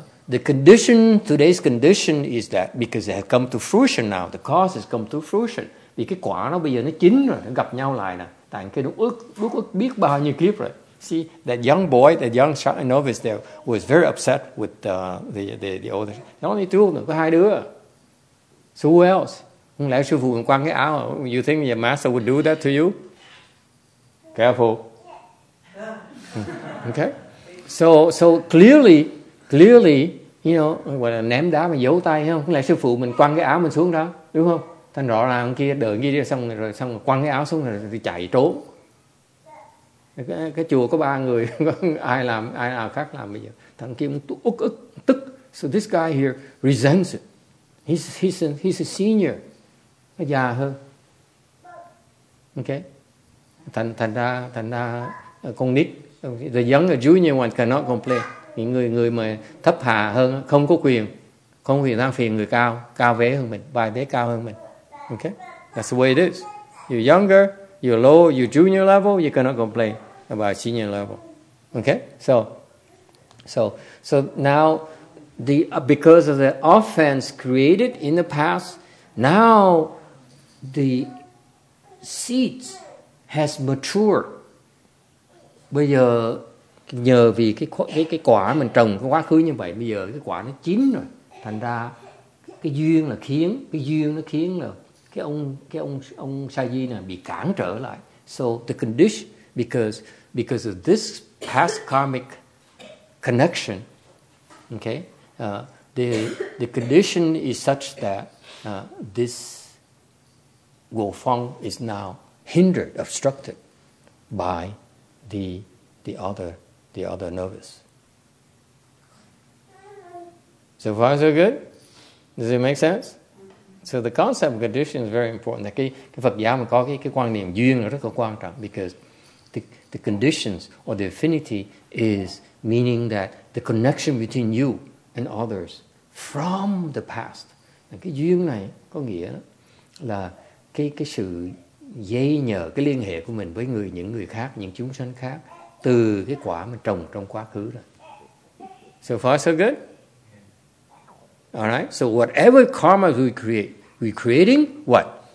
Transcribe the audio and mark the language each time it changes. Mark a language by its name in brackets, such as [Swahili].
[English] The condition, today's condition is that because it has come to fruition now, the cause has come to fruition. [Vietnamese] Vì cái quả nó bây giờ nó chín rồi, nó gặp nhau lại nè. Tại cái nó ước biết bao nhiêu kiếp rồi. [English] See, that young boy, that young Shakya novice there was very upset with the older. [Vietnamese] Nó đi tu có hai đứa. [English] So who else? [Vietnamese] Không lẽ sư phụ còn quăng cái áo? [English] You think your master would do that to you? Careful. Okay? So clearly, you know, [Vietnamese] gọi là ném đá mà giấu tay, không? Không lẽ sư phụ mình quăng cái áo mình xuống đó, đúng không? Thành rõ ràng kia đợi như đi xong rồi quăng cái áo xuống rồi chạy trốn. Cái chùa có ba người, ai nào khác làm bây giờ. Thằng kia cũng ức tức. [English] So this guy here resents it. He's a senior. [Vietnamese] Nó già hơn. [English] Okay. [Vietnamese] Thành ra con nít, [English] the younger junior one cannot complain. [Vietnamese] Những người mà thấp hạ hơn không có quyền. Không có quyền than phiền người cao vế hơn mình, vai vế cao hơn mình. [English] Okay, that's the way it is. You're younger, you're low, you're junior level, you cannot complain about senior level. Okay, so now because of the offense created in the past, now the seeds has matured. [Vietnamese] Bây giờ nhờ vì cái quả mình trồng cái quá khứ như vậy, bây giờ cái quả nó chín rồi. Thành ra cái duyên nó khiến là cái ông sa di này bị cản trở lại. [English] So the condition because of this past karmic connection, okay, the condition is such that this Guo Feng is now hindered, obstructed by the other novice. So far so good. Does it make sense? So the concept of condition is very important. [Vietnamese] Cái Phật giáo mà có cái quan niệm duyên là rất là quan trọng, [English] because the conditions or the affinity is meaning that the connection between you and others from the past. [Vietnamese] Cái duyên này có nghĩa là cái sự dây nhờ, cái liên hệ của mình với những người khác, những chúng sanh khác từ cái quả mình trồng trong quá khứ rồi. [English] So far so good? All right. So whatever karma we create, we creating what?